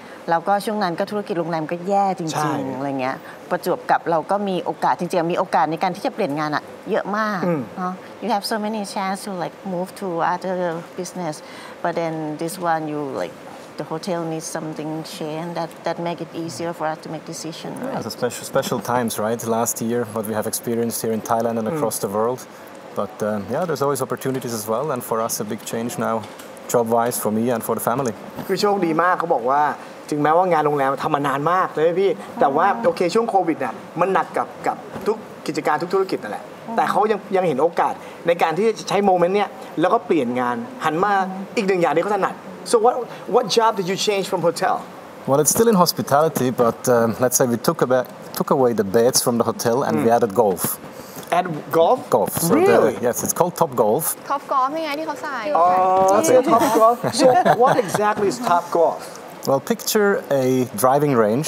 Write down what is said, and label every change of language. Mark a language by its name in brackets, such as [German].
[Thai] แล้วก็ช่วงนั้นก็ธุรกิจโรงแรมก็แย่จริงๆอะไรเงี้ยประจวบกับเราก็มีโอกาสจริงๆมีโอกาสในการที่จะเปลี่ยนงานเยอะมากเนาะ [English] you have so many chance to like move to other business but then this one you like the hotel needs something change that make it easier for us to make decision right? yeah, special times right last year what we have experienced here in Thailand and across the worldBut yeah, there's always opportunities as well, and for us a big change now, job-wise for me and for the family. [Thai] คือโชคดีมากเขาบอกว่าถึงแม้ว่างานโรงแรมทำมานานมากเลยพี่แต่ว่าโอเคช่วงโควิดเนี่ยมันหนักกับทุกกิจการทุกธุรกิจนั่นแหละแต่เขายังเห็นโอกาสในการที่จะใช้โมเมนต์เนี่ยแล้วก็เปลี่ยนงานหันมาอีกหนึ่งอย่างที่เขาถนัด [English] So what job did you change from hotel? Well, it's still in hospitality, but let's say we took away the beds from the hotel and we added golf. At golf? Golf. So really? Yes, it's called Top Golf. Top Golf, the guy that they wear. Oh, Top Golf. So what exactly is Top Golf? Well, picture a driving range.